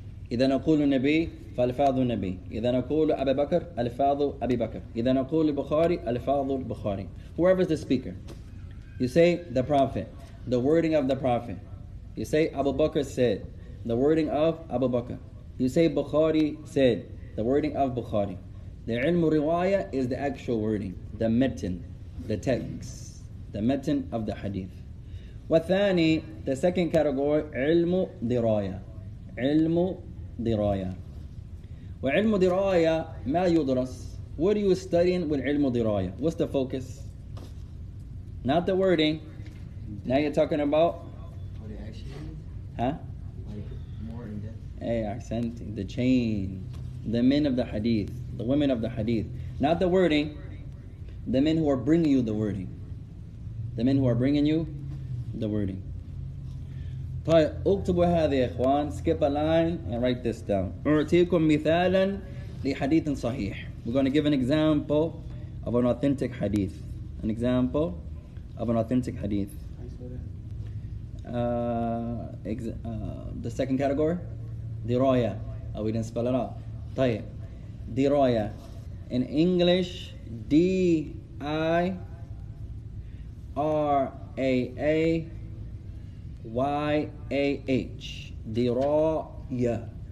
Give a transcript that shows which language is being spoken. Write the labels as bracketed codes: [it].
[ar] إذا نقول النبي فالفاظ النبي إذا نقول أبي بكر الفاظ أبي بكر إذا نقول البخاري الفاظ البخاري. [en] Whoever is the speaker, you say the prophet, the wording of the prophet. You say Abu Bakr said, the wording of Abu Bakr. You say Bukhari said, the wording of Bukhari. The [ar] علم رواية [en] is the actual wording, the متن, the text, the متن of the hadith. [ar] والثاني, [en] the second category, [ar] علم دراية. علم دراية. وعلم دراية ما يدرس. [en] What are you studying with [ar] علم دراية? [en] What's the focus? Not the wording. Now you're talking about? What it actually means? Huh? Like more in depth. Hey, accent, the chain. The men of the hadith. The women of the hadith. Not the wording. The men who are bringing you the wording. The men who are bringing you the wording. [ar] طيب اكتبوا هذه يا اخوان. [en] Skip a line and write this down. [ar] أعطيكم مثالا لحديث صحيح. [en] We're going to give an example of an authentic hadith. An example of an authentic hadith. The second category, دراية. Oh, we didn't spell it out. طيب دراية. In English, D-I-R-A-A Y-A-H, diraya.